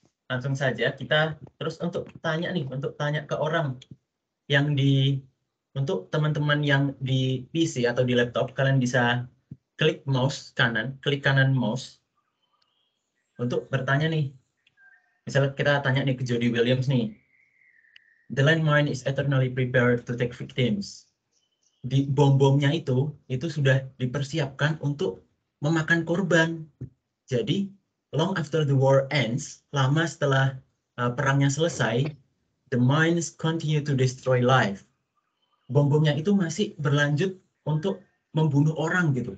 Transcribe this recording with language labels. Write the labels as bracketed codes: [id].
[id] Langsung saja kita terus untuk tanya ke orang yang di... Untuk teman-teman yang di PC atau di laptop, kalian bisa klik kanan mouse untuk bertanya nih. Misalnya kita tanya nih ke Jody Williams nih. [en] The landmine is eternally prepared to take victims. [id] Di bom-bomnya itu sudah dipersiapkan untuk memakan korban. [en] Jadi, long after the war ends, [id] lama setelah perangnya selesai, [en] the mines continue to destroy life. [id] Bom-bomnya itu masih berlanjut untuk membunuh orang gitu.